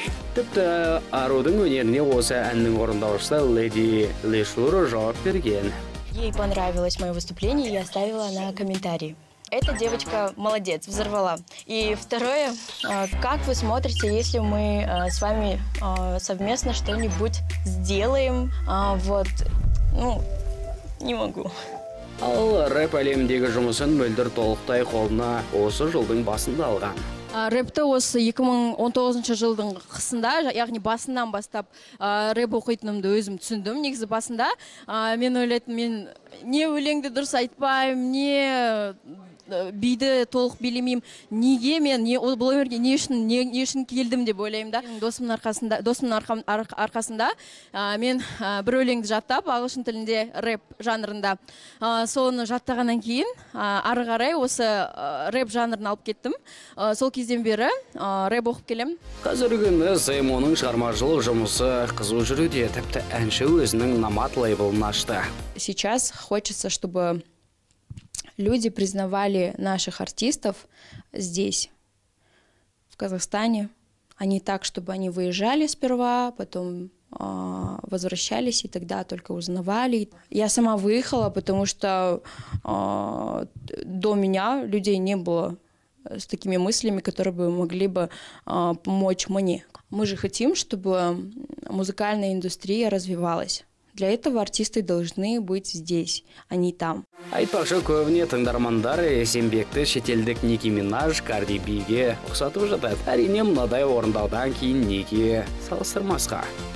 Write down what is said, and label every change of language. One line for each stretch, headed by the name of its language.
Kazakh: Тіпті Арудың өнеріне осы әннің орындаушысы Леди Лешур жауап берген.
Russian: Ей понравилось мое выступление, я оставила на комментарии. Эта девочка молодец, взорвала. И второе, как вы смотрите, если мы с вами совместно что-нибудь сделаем? Вот, ну, не могу.
Kazakh: Ал рэп әлеміндегі жұмысын мөлдір толықтай қолына осы жылдың басында алған. Рэпті осы 2019 жылдың қысында, яғни басынан бастап рэп оқитынымды өзім түсіндім негізі басында. Мен ойлайтын, мен не өлеңді дұрыс айтпайым, не биді толық білемеймін, неге мен бұл өмірге не үшін келдім деп ойлаймын да. Досымның арқасында мен бір өлеңді жаттап, ағылшын тілінде рэп жанрында. Соны жаттағаннан кейін ары қарай осы рэп жанрын алып кеттім. Сол кезден бері рэп оқып келем. Қазіргі күнде Сеймоның шығармашылық жұмысы қызу жүруде, тіпті әнші өзінің Номад лейблін ашты.
Russian: Сейчас хочется, чтобы люди признавали наших артистов здесь, в Казахстане, а не так, чтобы они выезжали сперва, потом возвращались и тогда только узнавали. Я сама выехала, потому что до меня людей не было с такими мыслями, которые бы могли бы помочь мне. Мы же хотим, чтобы музыкальная индустрия развивалась. Для этого артисты должны быть здесь, а не там.
Kazakh: Айтпақшы көбіне тыңдармандар Есенбекті шетелдік Ники Минаж, Карди Биге ұқсатып жатады. Әрине мынадай орындаудан кейін неге салыстырмасқа.